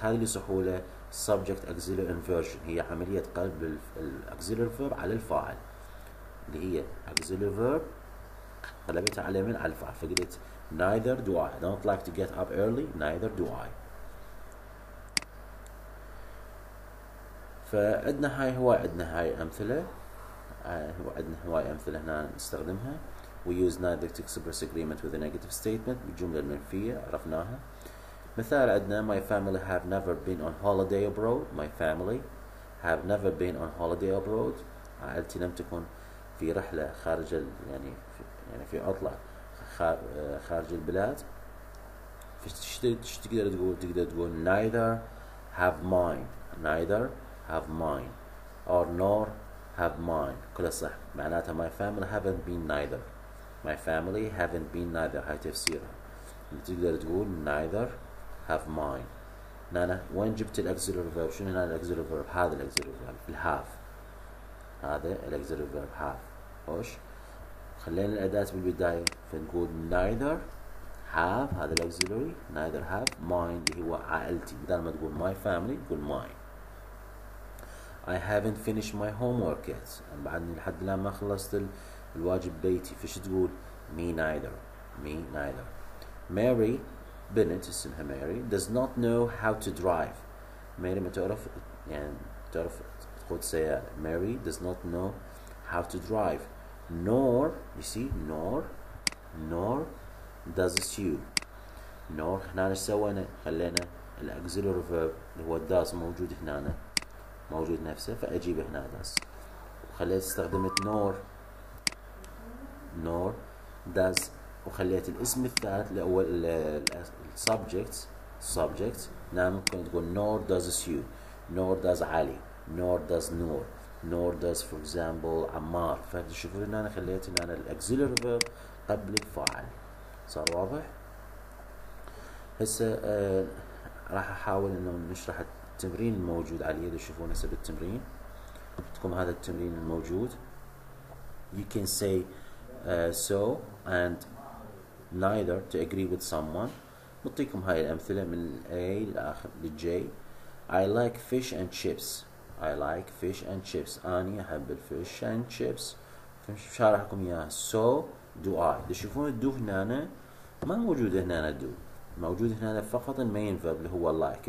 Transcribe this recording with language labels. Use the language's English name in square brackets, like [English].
[Arabic] هذه لسهولة [English] subject auxiliary inversion [Arabic] هي عملية قلب الأكسلري فيرب على الفاعل اللي هي [English] auxiliary verb [Arabic] قلبتها على من على الفاعل. فقلت [English] neither do I. I don't like to get up early. Neither do I. [Arabic] فعندنا هاي هواي عندنا هاي أمثلة عندنا هواي أمثلة هنا نستخدمها. [English] We use neither to express agreement with a negative statement. [Arabic] بالجملة المنفية عرفناها. مثال عندنا [English] My family have never been on holiday abroad. My family have never been on holiday abroad. [Arabic] عائلتي لم تكن في رحلة خارج يعني في عطلة خارج البلاد. تقدر تقول [English] neither have mine. Neither have mine. Or nor have mine. [Arabic] كلها صح. معناتها [English] My family haven't been neither. My family haven't been neither. [Arabic] هاي تفسيرها. تقدر تقول [English] neither have mine. [Arabic] نانا وين جبت الأكزيلر فيرب؟ شنو هنا الأكزيلر فيرب؟ هذا الأكزيلر فيرب الـ have. هذا الأكزيلر فيرب have. خوش. خلينا الأداة بالبداية فنقول [English] neither have [Arabic] هذا الأكزيلري [English] neither have mine [Arabic] اللي هو عائلتي. بدل ما تقول [English] my family [Arabic] تقول [English] mine. I haven't finished my homework yet. [Arabic] بعد لحد الآن ما خلصت الواجب بيتي. فش تقول [English] me neither. me neither. Mary Bennett [Arabic] اسمها [English] Mary does not know how to drive. [Arabic] Mary ما تعرف يعني تعرف تقود سيارة. [English] Mary does not know how to drive. Nor you see nor nor does she. [Arabic] Nor هنا سوينا خلينا الأكزيلر فيرب اللي هو does موجود هنا موجود نفسه فأجيب هنا does وخليت استخدمت [English] nor nor does [Arabic] وخليت الاسم الثالث الأول subject subject. نعم ممكن تقول [English] nor does you nor does علي nor does نور nor does for example عمار. [Arabic] فتشوفوا ان انا خليت ان انا الاكزيلر فيرب قبل الفاعل. صار واضح؟ هسه راح احاول انه نشرح التمرين الموجود على اليد. تشوفون هسه بالتمرين بتكون هذا التمرين الموجود. [English] you can say so and neither to agree with someone. [Arabic] نعطيكم هاي الأمثلة من A لآخر للJ. [English] I like fish and chips. I like fish and chips. [Arabic] أني أحب الفيش and chips. شارح لكم إياها. [English] So do I. [Arabic] تشوفون الدو هنا ما موجود هنا الدو. موجود هنا فقط المين فيرب اللي هو لايك.